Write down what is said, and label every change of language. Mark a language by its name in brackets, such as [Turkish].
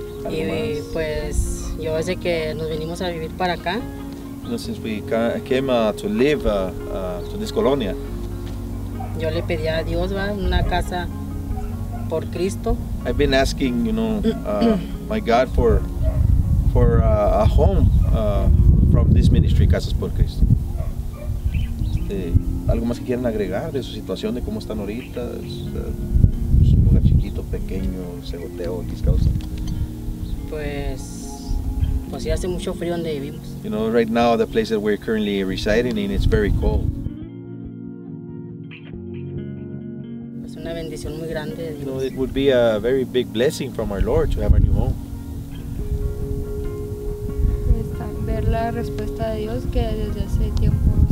[Spanish] Y pues yo desde que nos vinimos a vivir para acá. [English] You know, since we came to live to this colonia. [Spanish] Yo le pedí a Dios, ¿va? Una casa por Cristo. [English] I've been asking, you know, my God for a home from this ministry, Casas por Cristo. [Spanish] ¿Algo más que quieran agregar de su situación, de cómo están ahorita? ¿Es un lugar chiquito, pequeño, segoteo, discausa? Pues sí, hace mucho frío donde vivimos. [English] You know, right now, the place that we're currently residing in, it's very cold. [Spanish] Es pues una bendición muy grande. [English] You know, it would be a very big blessing from our Lord to have a new home. [Spanish] Ver la respuesta de Dios que desde hace tiempo.